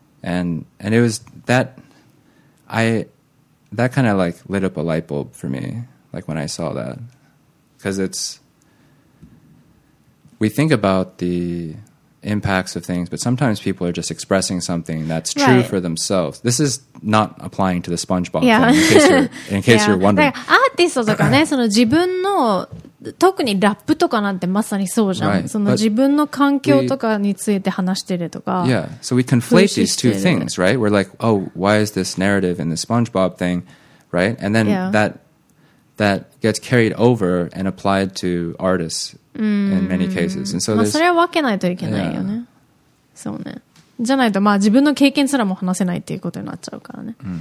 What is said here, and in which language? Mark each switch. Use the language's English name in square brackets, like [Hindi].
[English] And it was that kind of, like, lit up a light bulb for me, like, when I saw that. Because it's, we think about the impacts of things, but sometimes people are just expressing something that's true right. for themselves. This is not applying to the SpongeBob yeah. thing, in case yeah. you're wondering. [Japanese] アーティストとかね、その自分の、特にラップとかなんてまさにそうじゃん。 [English] Right. [Japanese] その自分の環境とかについて話してるとか。 [English] Yeah, so we conflate these two things, right? We're like, oh, why is this narrative in the SpongeBob thing right? And then that gets carried over and applied to artists in many cases. And so [Japanese] まあそれは分けないといけないよね。そうね。じゃないとまあ自分の経験すらも話せないっていうことになっちゃうからね。